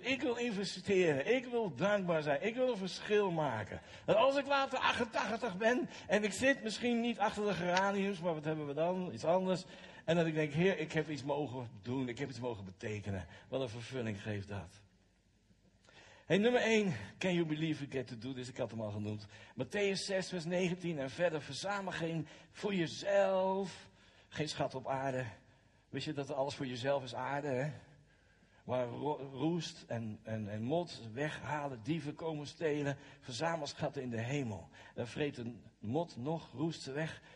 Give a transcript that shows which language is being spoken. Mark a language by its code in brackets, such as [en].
[nl] Ik wil investeren. Ik wil dankbaar zijn. Ik wil een verschil maken. Dat als ik later 88 ben en ik zit misschien niet achter de geraniums, maar wat hebben we dan? Iets anders. En dat ik denk, Heer, ik heb iets mogen doen. Ik heb iets mogen betekenen. Wat een vervulling geeft dat. [en] Hey, nummer 1, can you believe you get to do this? [nl] Ik had hem al genoemd. Matthäus 6, vers 19 en verder. Verzamel geen voor jezelf, geen schat op aarde. Wist je dat alles voor jezelf is aarde, hè? Waar roest en mot weghalen, dieven komen stelen. Verzamel schatten in de hemel. Daar vreet een mot nog, roest ze weg.